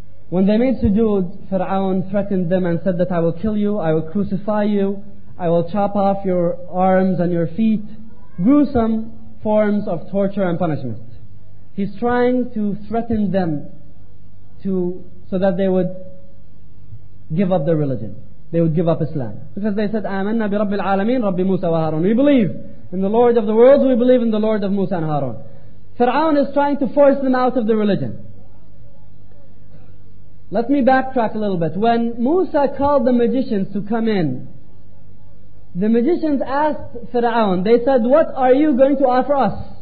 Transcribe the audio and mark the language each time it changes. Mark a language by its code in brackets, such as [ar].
[en] When they made sujood, Fir'aun threatened them and said that I will kill you, I will crucify you, I will chop off your arms and your feet. Gruesome forms of torture and punishment. He's trying to threaten them so that they would give up their religion. They would give up Islam. Because they said, [ar] آمَنَّا بِرَبِّ الْعَالَمِينَ رَبِّ مُوسَى وَهَارُونَ. [en] We believe in the Lord of the worlds, we believe in the Lord of Musa and Harun. Fir'aun is trying to force them out of the religion. Let me backtrack a little bit. When Musa called the magicians to come in, the magicians asked Fir'aun, they said, what are you going to offer us?